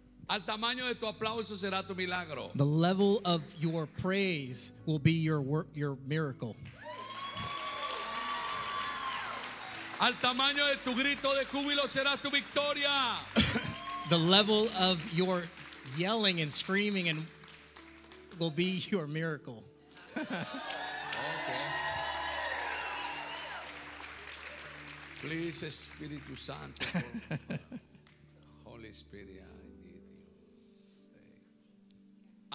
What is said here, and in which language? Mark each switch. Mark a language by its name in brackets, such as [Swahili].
[Spanish] Al tamaño de tu aplauso será tu milagro. [English] The level of your praise will be your miracle. [Spanish] Al tamaño de tu grito de júbilo será tu victoria. [English] The level of your yelling and screaming and will be your miracle. Okay. Please, Espíritu Santo, Holy Spirit, I need you.